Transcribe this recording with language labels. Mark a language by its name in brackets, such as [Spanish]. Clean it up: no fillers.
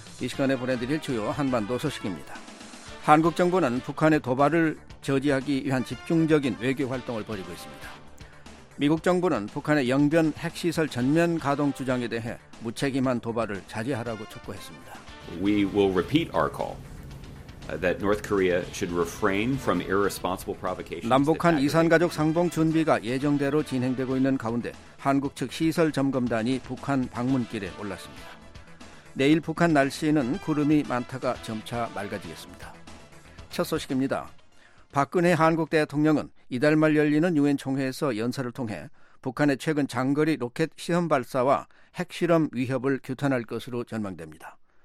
[Korean] 이 시간에 보내드릴 주요 한반도 소식입니다. 한국 정부는 북한의 도발을 저지하기 위한 집중적인 외교 활동을 벌이고 있습니다. 미국 정부는 북한의 영변 핵시설 전면 가동 주장에 대해 무책임한 도발을 자제하라고 촉구했습니다. [English] We will repeat our call that North Korea should refrain from irresponsible provocations. [Korean] 남북한 이산가족 상봉 준비가 예정대로 진행되고 있는 가운데 한국 측 시설 점검단이 북한 방문길에 올랐습니다. 내일 북한 날씨에는 구름이 많다가 점차 맑아지겠습니다. 첫 소식입니다. 박근혜 한국 대통령은 이달 말 열리는 유엔 총회에서 연설을 통해 북한의 최근 장거리 로켓 시험 발사와 핵실험 위협을 규탄할 것으로 전망됩니다.